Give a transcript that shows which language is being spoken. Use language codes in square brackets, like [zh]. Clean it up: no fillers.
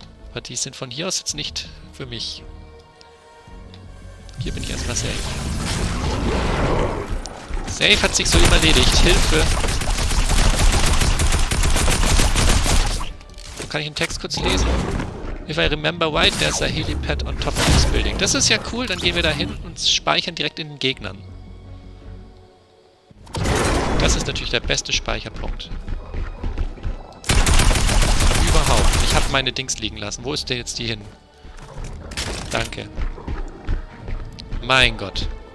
[de] Aber die sind von hier aus jetzt nicht für mich. Hier bin ich erstmal safe. Safe hat sich so immer erledigt. Hilfe! Kann ich einen Text kurz lesen? [en] If I remember right, there's a helipad on top of this building. [de] Das ist ja cool, dann gehen wir da hin und speichern direkt in den Gegnern. Das ist natürlich der beste Speicherpunkt. Überhaupt. Ich habe meine Dings liegen lassen. Wo ist denn jetzt die hin? Danke. Mein Gott.